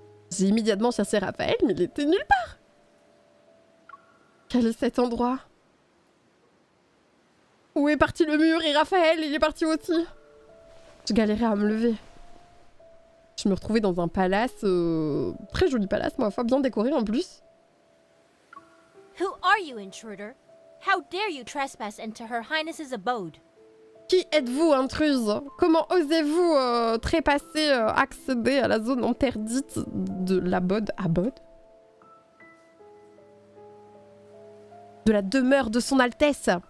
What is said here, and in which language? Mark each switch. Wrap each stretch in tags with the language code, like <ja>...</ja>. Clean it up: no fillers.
<fr>J'ai immédiatement cherché Raphaël, mais il était nulle part. Quel est cet endroit? Où est parti le mur? Et Raphaël, il est parti aussi. Je galérais à me lever. Je me retrouvais dans un palace, très joli palace, ma foi, bien décoré en plus.</fr> <en>Who are you, intruder? How dare you trespass into Her Highness's abode?</en> <fr>Qui êtes-vous, intruse? Comment osez-vous trépasser, accéder à la zone interdite de l'abode, abode? De la demeure de son Altesse.</fr>